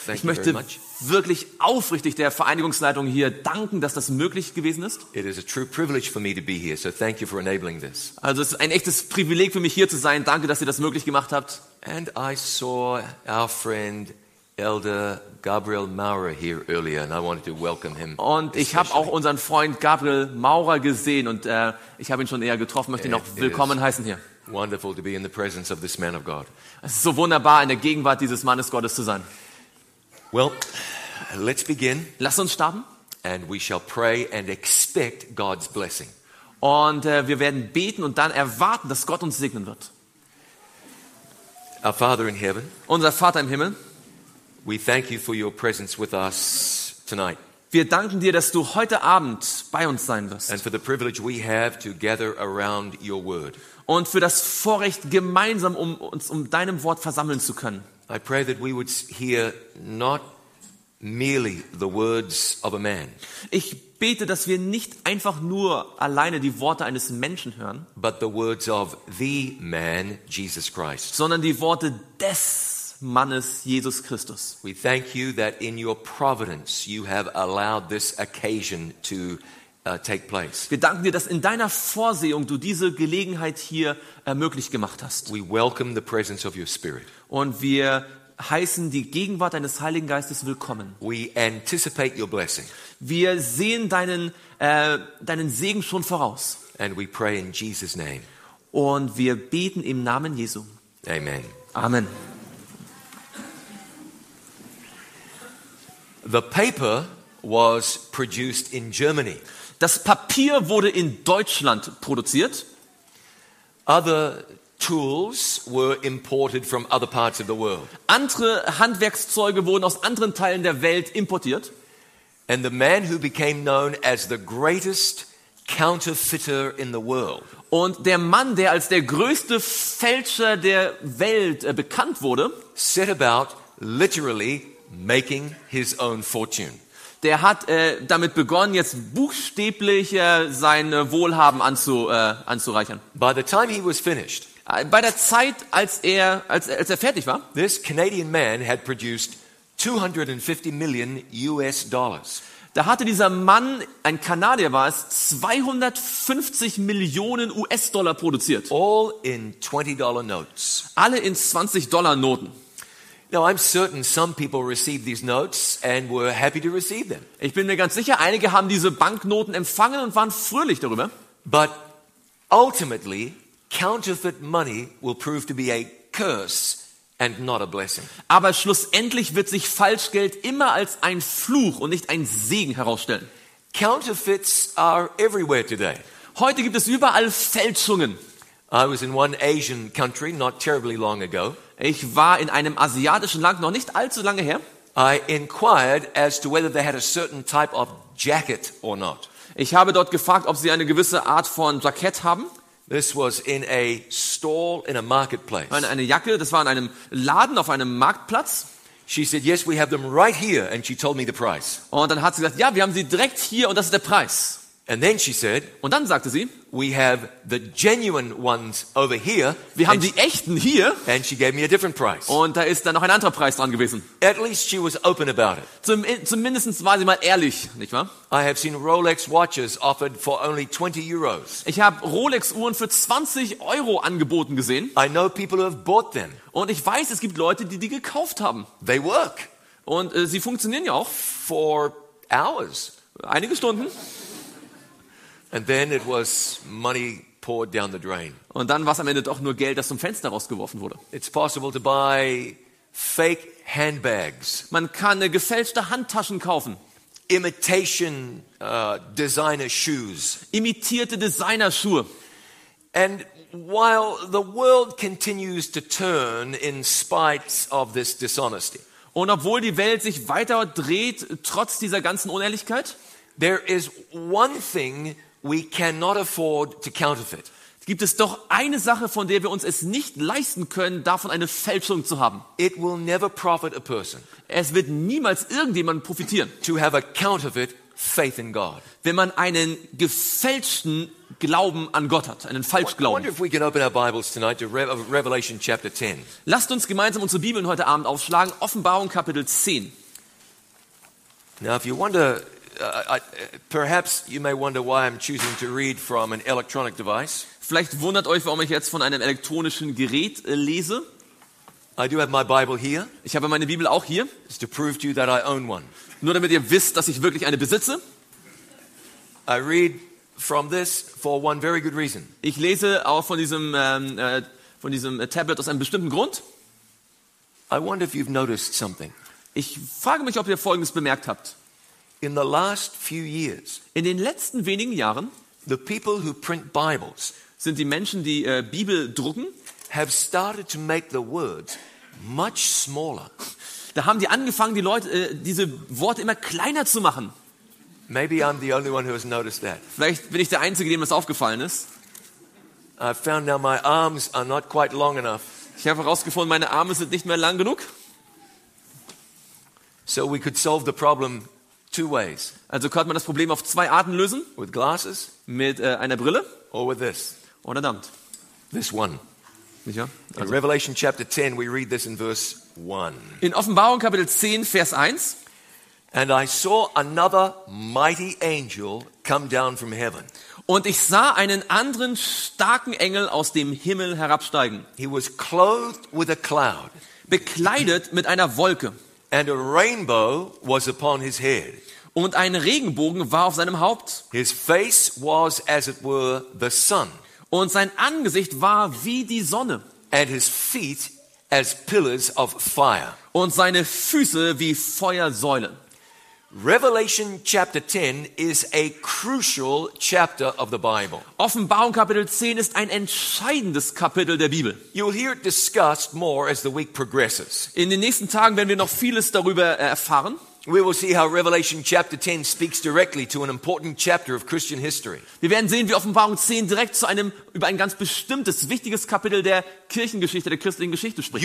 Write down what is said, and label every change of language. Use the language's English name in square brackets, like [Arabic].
[English] Thank you very much. [German] Wirklich aufrichtig der Vereinigungsleitung hier danken, dass das möglich gewesen ist. [English] It is a true privilege for me to be here, so thank you for enabling this. [German] Also es ist ein echtes Privileg für mich hier zu sein. Danke, dass ihr das möglich gemacht habt. [English] And I saw our friend Elder Gabriel Maurer here earlier, and I wanted to welcome him. [German] Und ich habe auch unseren Freund Gabriel Maurer gesehen und ich habe ihn schon eher getroffen, möchte ihn auch willkommen heißen hier. [English] Wonderful to be in the presence of this man of God. [German] Es ist so wunderbar, in der Gegenwart dieses Mannes Gottes zu sein. [English] Well, let's begin. [German] Lass uns starten. [English] And we shall pray and expect God's blessing. [German] Und wir werden beten und dann erwarten, dass Gott uns segnen wird. [English] Our Father in heaven. [German] Unser Vater im Himmel. [English] We thank you for your presence with us tonight. [German] Wir danken dir, dass du heute Abend bei uns sein wirst. [English] And for the privilege we have to gather around your word. [German] Und für das Vorrecht, gemeinsam uns um deinem Wort versammeln zu können. [English] I pray that we would hear not merely the words of a man. [German] Ich bete, dass wir nicht einfach nur alleine die Worte eines Menschen hören, [English] but the words of the man Jesus Christ, [German] sondern die Worte des Mannes Jesus Christus. [English] We thank you that in your providence you have allowed this occasion to take place. [German] Wir danken dir, dass in deiner Vorsehung du diese Gelegenheit hier möglich gemacht hast. [English] We welcome the presence of your Spirit. [German] Und wir heißen die Gegenwart deines Heiligen Geistes willkommen. [English] We anticipate your blessing. [German] Wir sehen deinen Segen schon voraus. [English] And we pray in Jesus name. [German] Und wir beten im Namen Jesu. [English] Amen. [German] Amen. [English] The paper was produced in Germany. [German] Das Papier wurde in Deutschland produziert. [English] Other tools were imported from other parts of the world. [German] Andere Handwerkszeuge wurden aus anderen Teilen der Welt importiert. [English] And the man who became known as the greatest counterfeiter in the world. [German] Und der Mann, der als der größte Fälscher der Welt bekannt wurde, [English] set about literally making his own fortune. [German] Der hat damit begonnen, jetzt buchstäblich sein Wohlhaben anzureichern. [English] By the time he was finished, [German] bei der Zeit, als er fertig war, [English] this Canadian man had produced 250 million US dollars. [German] Da hatte dieser Mann, ein Kanadier war es, 250 Millionen US-Dollar produziert. [English] All in 20-dollar notes. [German] Alle in 20-Dollar Noten. [English] Now I'm certain some people received these notes and were happy to receive them. [German] Ich bin mir ganz sicher, einige haben diese Banknoten empfangen und waren fröhlich darüber. [English] But ultimately, counterfeit money will prove to be a curse and not a blessing. [German] Aber schlussendlich wird sich Falschgeld immer als ein Fluch und nicht ein Segen herausstellen. [English] Counterfeits are everywhere today. [German] Heute gibt es überall Fälschungen. [English] I was in one Asian country not terribly long ago. [German] Ich war in einem asiatischen Land noch nicht allzu lange her. [English] I inquired as to whether they had a certain type of jacket or not. [German] Ich habe dort gefragt, ob sie eine gewisse Art von Jackett haben. [English] This was in a stall in a marketplace. [German] Eine Jacke, das war in einem Laden auf einem Marktplatz. [English] She said, "Yes, we have them right here," and she told me the price. [German] Und dann hat sie gesagt, ja, wir haben sie direkt hier und das ist der Preis. [English] And then she said, [German] und dann sagte sie, [English] "We have the genuine ones over here." [German] Wir haben die echten hier. [English] And she gave me a different price. [German] Und da ist dann noch ein anderer Preis dran gewesen. [English] At least she was open about it. [German] Zumindest war sie mal ehrlich, nicht wahr? [English] I have seen Rolex watches offered for only 20 euros. [German] Ich habe Rolex-Uhren für 20 Euro angeboten gesehen. [English] I know people who have bought them. [German] Und ich weiß, es gibt Leute, die gekauft haben. [English] They work. [German] Und sie funktionieren ja auch. [English] For hours. [German] Einige Stunden. [English] And then it was money poured down the drain. [German] Und dann war es am Ende doch nur Geld, das zum Fenster rausgeworfen wurde. [English] It's possible to buy fake handbags. [German] Man kann gefälschte Handtaschen kaufen. [English] imitation designer shoes. [German] Imitierte Designerschuhe. [English] And while the world continues to turn in spite of this dishonesty. [German] Und obwohl die Welt sich weiter dreht trotz dieser ganzen Unehrlichkeit, [English] there is one thing we cannot afford to counterfeit. [German] Gibt es doch eine Sache, von der wir uns es nicht leisten können, davon eine Fälschung zu haben. [English] It will never profit a person. [German] Es wird niemals irgendjemand profitieren. [English] To have a counterfeit faith in God. [German] Wenn man einen gefälschten Glauben an Gott hat, einen Falschglauben. [English] I wonder if we can open our Bibles tonight to Revelation chapter 10. [German] Lasst uns gemeinsam unsere Bibeln heute Abend aufschlagen, Offenbarung Kapitel 10. [English] Now if you wonder perhaps you may wonder why I'm choosing to read from an electronic device. [German] Vielleicht wundert euch, warum ich jetzt von einem elektronischen Gerät lese. [English] I do have my Bible here. [German] Ich habe meine Bibel auch hier. [English] It's to prove to you that I own one. [German] Nur damit ihr wisst, dass ich wirklich eine besitze. [English] I read from this for one very good reason. [German] Ich lese auch von diesem Tablet aus einem bestimmten Grund. [English] I wonder if you've noticed something. [German] Ich frage mich, ob ihr Folgendes bemerkt habt. [English] In the last few years. [German] In den letzten wenigen Jahren. [English] The people who print Bibles. [German] Sind die Menschen, die Bibel drucken, [English] have started to make the words much smaller. [German] Da haben die angefangen, die Leute diese Worte immer kleiner zu machen. [English] Maybe I'm the only one who has noticed that. [German] Vielleicht bin ich der Einzige, dem das aufgefallen ist. [English] I found now my arms are not quite long enough. [German] Ich habe herausgefunden, meine Arme sind nicht mehr lang genug. [English] So we could solve the problem two ways. [German] Also könnte man das Problem auf zwei Arten lösen. [English] With glasses. [German] Mit einer Brille. [English] Or with this. [German] Oder damit. [English] This one. [German] Ja, [English] also. In Revelation chapter 10 we read this in verse 1. [German] In Offenbarung Kapitel 10 Vers 1. [English] And I saw another mighty angel come down from heaven. [German] Und ich sah einen anderen starken Engel aus dem Himmel herabsteigen. [English] He was clothed with a cloud. [German] Bekleidet mit einer Wolke. [English] And a rainbow was upon his head. [German] Und ein Regenbogen war auf seinem Haupt. [English] His face was as it were the sun. [German] Und sein Angesicht war wie die Sonne. [English] And his feet as pillars of fire. [German] Und seine Füße wie Feuersäulen. [English] Revelation chapter 10 is a crucial chapter of the Bible. [German] Offenbarung Kapitel 10 ist ein entscheidendes Kapitel der Bibel. [English] You'll hear it discussed more as the week progresses. [German] In den nächsten Tagen werden wir noch vieles darüber erfahren. [English] We will see how Revelation chapter 10 speaks directly to an important chapter of Christian history. [German] Wir werden sehen, wie Offenbarung 10 direkt zu einem über ein ganz bestimmtes wichtiges Kapitel der Kirchengeschichte, der christlichen Geschichte spricht.